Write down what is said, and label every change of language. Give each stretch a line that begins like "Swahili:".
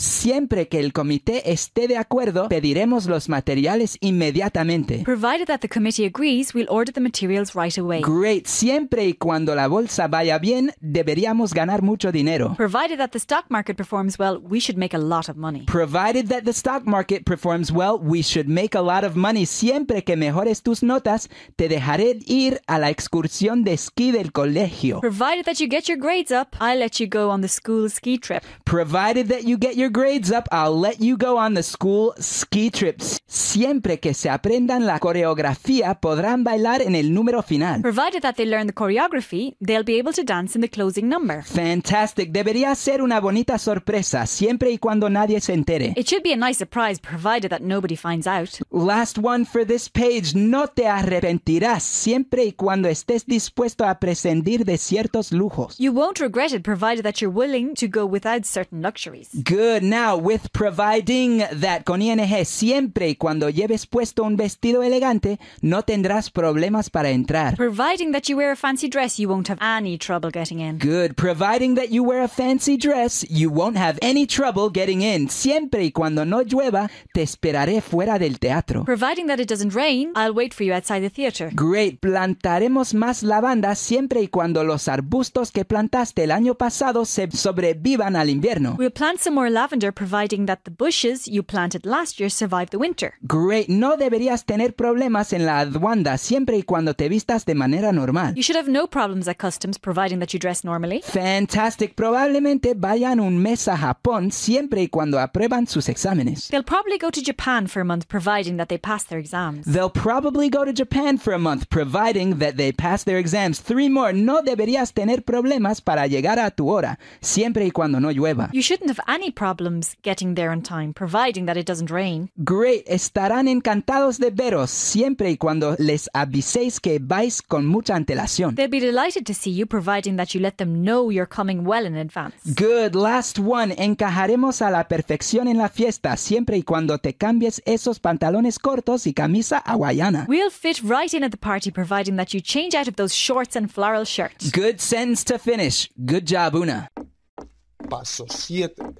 Spanish: Siempre que el comité esté de acuerdo, pediremos los materiales inmediatamente.
English: Provided that the committee agrees, we'll order the materials right away. Great.
Spanish: Siempre y cuando la bolsa vaya bien, deberíamos ganar mucho dinero.
English: Provided that the stock market performs well, we should make a lot of money. Provided that the stock market performs well, we should make a lot of money.
Spanish: Siempre que mejores tus notas, te dejaré ir a la excursión de esquí del colegio.
English: Provided that you get your grades up, I'll let you go on the school ski trip. Provided that you get your grades up, I'll let you go on the school ski trips.
Spanish: Siempre que se aprendan la coreografía, podrán bailar en el número final.
English: Provided that they learn the choreography, they'll be able to dance in the closing number. Fantastic.
Spanish: Debería ser una bonita sorpresa, siempre y cuando nadie se entere.
English: It should be a nice surprise, provided that nobody finds out. Last one for this page.
Spanish: No te arrepentirás, siempre y cuando estés dispuesto a prescindir de ciertos lujos.
English: You won't regret it, provided that you're willing to go without certain luxuries. Good. Now, with providing that,
Spanish: con ING, siempre y cuando lleves puesto un vestido elegante, no tendrás problemas para entrar.
English: Providing that you wear a fancy dress, you won't have any trouble getting in. Good. Providing that you wear a fancy dress, you won't have any trouble getting in.
Spanish: Siempre y cuando no llueva, te esperaré fuera del teatro.
English: Providing that it doesn't rain, I'll wait for you outside the theater. Great.
Spanish: Plantaremos más lavanda siempre y cuando los arbustos que plantaste el año pasado se sobrevivan al invierno.
English: We'll plant some more lavanda, provided providing that the bushes you planted last year survive the winter. Great.
Spanish: No deberías tener problemas en la aduana siempre y cuando te vistas de manera normal.
English: You should have no problems at customs, providing that you dress normally. Fantastic.
Spanish: Probablemente vayan un mes a Japón siempre y cuando aprueban sus exámenes.
English: They'll probably go to Japan for a month, providing that they pass their exams. They'll probably go to Japan for a month, providing that they pass their exams. Three more.
Spanish: No deberías tener problemas para llegar a tu hora, siempre y cuando no llueva.
English: You shouldn't have any problems getting there on time, providing that it doesn't rain. Great.
Spanish: Estarán encantados de veros, siempre y cuando les aviséis que vais con mucha antelación.
English: They'll be delighted to see you, providing that you let them know you're coming well in advance. Good. Last one.
Spanish: Encajaremos a la perfección en la fiesta, siempre y cuando te cambies esos pantalones cortos y camisa hawaiana.
English: We'll fit right in at the party, providing that you change out of those shorts and floral shirts. Good sentence to finish. Good job, Una.
Spanish: Paso 7.